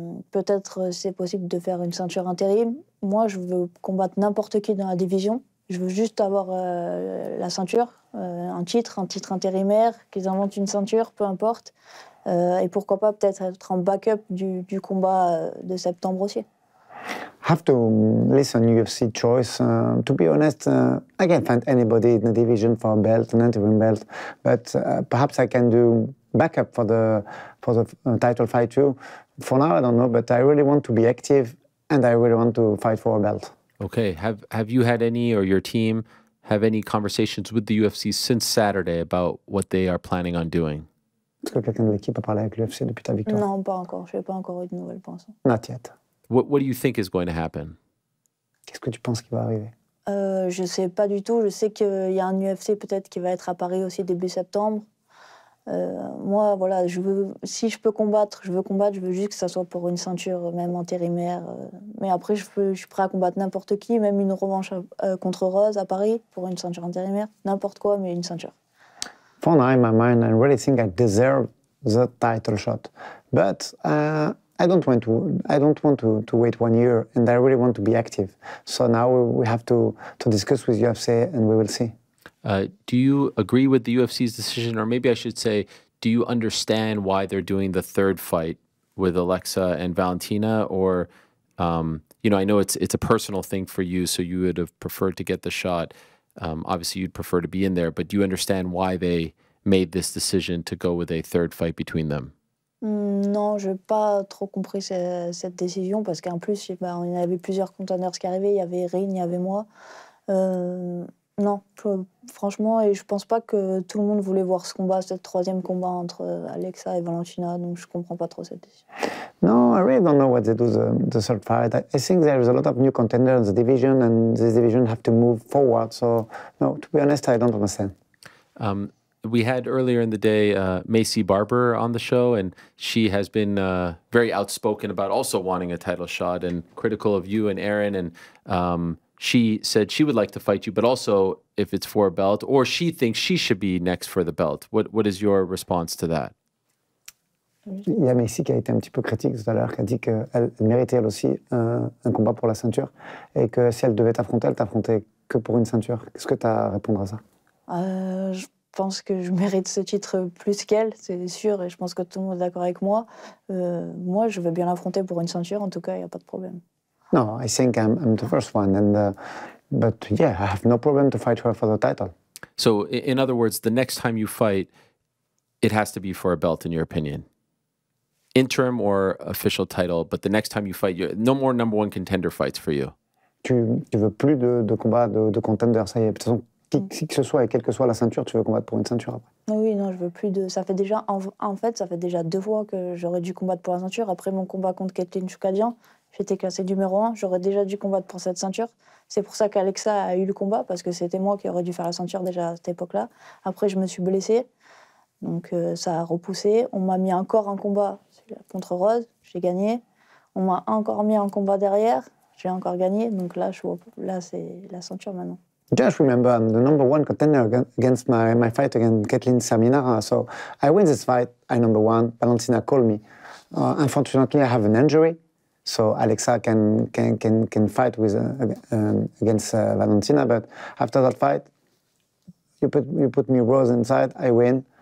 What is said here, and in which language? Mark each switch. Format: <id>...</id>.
<fr>Peut-être c'est possible de faire une ceinture intérim. Moi, je veux combattre n'importe qui dans la division. Je veux juste avoir la ceinture, un titre intérimaire, qu'ils inventent une ceinture, peu importe. Et pourquoi pas peut-être être en backup du combat de septembre aussi.</fr> <en>Have to listen to UFC choice. To be honest, I can't find anybody in the division for a belt, an interim belt, but perhaps I can do backup for the title fight too. For now, I don't know, but I really want to be active and I really want to fight for a belt. Okay, have you had any, or your team, have any conversations with the UFC since Saturday about what they are planning on doing?</en> <fr>Est-ce que quelqu'un de l'équipe a parlé avec l'UFC depuis ta victoire? Non, pas encore. Je n'ai pas encore eu de nouvelles pensées.</fr> <en>Not yet. What do you think is going to happen?</en> <fr>Qu'est-ce que tu penses qui va arriver? Je ne sais pas du tout. Je sais qu'il y a un UFC peut-être qui va être à Paris aussi début septembre. Moi, voilà, je veux, si je peux combattre, je veux combattre, je veux juste que ça soit pour une ceinture, même intérimaire. Mais après, je suis prêt à combattre n'importe qui, même une revanche contre Rose à Paris, pour une ceinture intérimaire, n'importe quoi, mais une ceinture.</fr> <en>For now, in my mind, I really think I deserve the title shot. But I don't want to wait 1 year, and I really want to be active. So now we have to discuss with UFC, and we will see. Do you agree with the UFC's decision, or maybe I should say, do you understand why they're doing the third fight with Alexa and Valentina? Or, you know, I know it's a personal thing for you, so you would have preferred to get the shot. Obviously, you'd prefer to be in there, but do you understand why they made this decision to go with a third fight between them?</en> <fr>Non, je n'ai pas trop compris cette décision, parce qu'en plus, il y avait plusieurs contenders qui arrivaient, il y avait Erin, il y avait moi. Non, franchement, et je pense pas que tout le monde voulait voir ce combat, ce troisième combat entre Alexa et Valentina, donc je comprends pas trop cette décision.</fr> <en>No, I really don't know what they do the third fight. I think there is a lot of new contenders in the division, and this division have to move forward. So, no, to be honest, I don't understand. We had earlier in the day Maycee Barber on the show, and she has been very outspoken about also wanting a title shot and critical of you and Erin, and she said she would like to fight you, but also if it's for a belt, or she thinks she should be next for the belt. What is your response to that?</en> <fr>Il y a Maycee qui a été un petit peu critique tout à l'heure, qui a dit qu'elle méritait elle aussi un combat pour la ceinture, et que si elle devait t'affronter, elle t'affrontait que pour une ceinture. Qu'est-ce que tu as à répondre à ça? Je pense que je mérite ce titre plus qu'elle, c'est sûr, et je pense que tout le monde est d'accord avec moi. Moi, je veux bien l'affronter pour une ceinture, en tout cas, il n'y a pas de problème.</fr> <en>No, I think I'm the first one, and but yeah, I have no problem to fight her for the title. So, in other words, the next time you fight, it has to be for a belt, in your opinion, interim or official title. But the next time you fight, no more number one contender fights for you.</en> <fr>Tu veux plus de combat de contender, ça y est. De toute façon, qui que ce soit et quelle que soit la ceinture, tu veux combattre pour une ceinture après. Oui, non, je veux plus de. Ça fait déjà ça fait déjà deux fois que j'aurais dû combattre pour la ceinture après mon combat contre Kathleen Choukadian. J'étais classé numéro 1, j'aurais déjà dû combattre pour cette ceinture. C'est pour ça qu'Alexa a eu le combat, parce que c'était moi qui aurais dû faire la ceinture déjà à cette époque-là. Après, je me suis blessée, donc ça a repoussé. On m'a mis encore un combat contre Rose, j'ai gagné. On m'a encore mis un combat derrière, j'ai encore gagné. Donc là, c'est la ceinture maintenant.</fr> <en>Just remember, I'm the number one contender against my fight against Kathleen Serminara. So I win this fight, I'm number one, Valentina called me. Unfortunately, I have an injury. So Alexa can fight with against Valentina, but after that fight, you put me Rose inside. I win.</en>